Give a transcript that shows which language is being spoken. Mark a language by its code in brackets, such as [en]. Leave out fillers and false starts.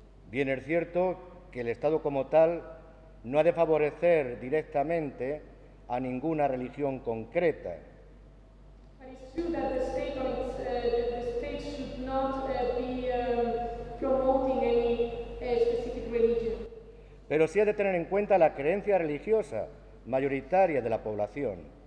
[es] Bien, es cierto que el Estado como tal no ha de favorecer directamente a ninguna religión concreta. [en] But it's true that the state, on its, the state should not be promoting any specific religion. [es] pero sí ha de tener en cuenta la creencia religiosa mayoritaria de la población.